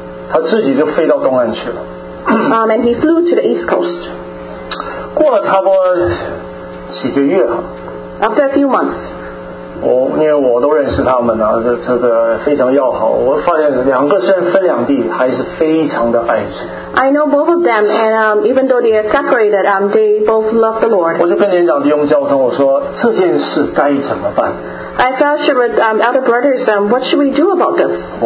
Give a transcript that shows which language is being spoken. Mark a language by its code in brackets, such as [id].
[zh] 他自己就飞到东岸去了。 [en] And he flew to the east coast. [zh] 过了差不多几个月, [en] after a few months, [zh] 因为我都认识他们，这个非常要好，我发现两个虽然分两地，还是非常的爱。 I [en] know both of them, and even though they are separated, they both love the Lord. [zh] 我就跟年长弟兄交通，我说这件事该怎么办？ [en] I fellowship with elder brothers, what should we do about this?